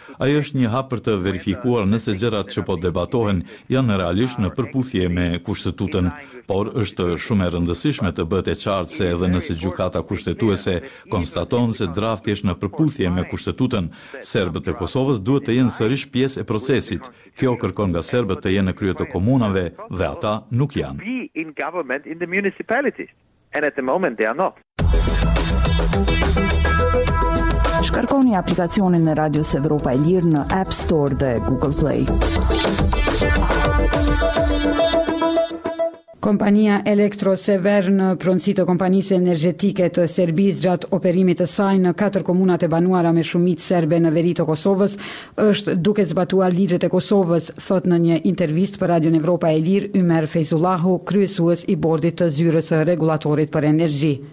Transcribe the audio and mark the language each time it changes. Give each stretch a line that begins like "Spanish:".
Albanian: Ai është një hap për të verifikuar nëse gjërat që po debatohen janë realisht në përputhje me kushtetutën, por është shumë e rëndësishme të bëhet e qartë se edhe nëse gjykata kushtetuese konstaton se drafti është në përputhje me kushtetutën, serbët e Kosovës duhet të jenë sërish pjesë e procesit. Kjo kërkon nga serbët të jenë në krye të komunave dhe ata nuk janë.
English: In government in the municipalities, and at the moment they are not.
Albanian: Shkarkoni aplikacionin e Radios Evropa e Lirë në App Store dhe Google Play. Kompania Elektrosever në pronësi të kompanisë energjetike të Serbisë gjatë operimit të saj në katër komunat e banuara me shumicë serbe në veri të Kosovës është duke zbatuar ligjet e Kosovës, thot në një intervistë për Radio Evropa e Lirë Ymer Fejzullahu, kryesues i bordit të zyrës së regulatorit për energji.